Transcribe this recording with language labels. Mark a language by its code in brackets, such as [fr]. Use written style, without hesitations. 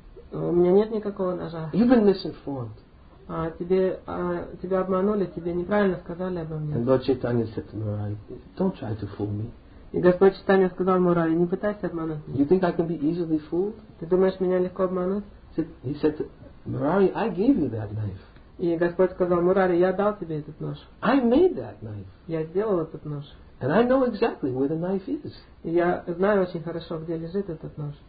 [ru] У меня нет никакого ножа. [en] You've been misinformed. [ru] Тебя обманули, тебе неправильно сказали обо мне. [en] And Lord Chaitanya said to Murari, don't try to fool me. [ru] И Господь Чайтанья сказал Мурари, не пытайся обмануть меня. [en] You think I can be easily fooled? [ru] Ты думаешь меня легко обмануть? [en] He said, Murari, I gave you that knife. [ru] И Господь сказал, Мурари, я дал тебе этот нож. [en] I made that knife. [ru] Я сделал этот нож. [en] And I know exactly where the knife is. [ru] И я знаю очень хорошо, где лежит этот нож.